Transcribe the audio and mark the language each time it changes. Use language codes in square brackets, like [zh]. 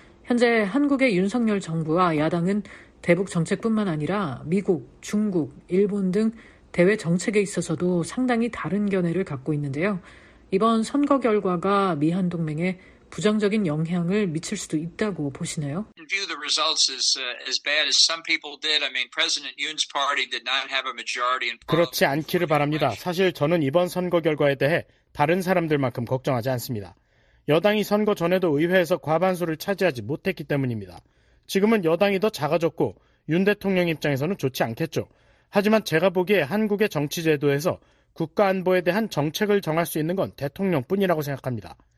[ko] 현재 한국의 윤석열 정부와 야당은 대북 정책뿐만 아니라 미국, 중국, 일본 등 대외 정책에 있어서도 상당히 다른 견해를 갖고 있는데요. 이번 선거 결과가 미한 동맹에 부정적인 영향을 미칠 수도 있다고 보시나요? [en] View the results as bad as some people did. I mean, President Yoon's party did not have a majority in. [ko] 그렇지 않기를 바랍니다. 사실 저는 이번 선거 결과에 대해 다른 사람들만큼 걱정하지 않습니다. 여당이 선거 전에도 의회에서 과반수를 차지하지 못했기 때문입니다. 지금은 여당이 더 작아졌고 윤 대통령 입장에서는 좋지 않겠죠. 하지만 제가 보기에 한국의 정치 제도에서 국가 안보에 대한 정책을 정할 수 있는 건 대통령뿐이라고 생각합니다.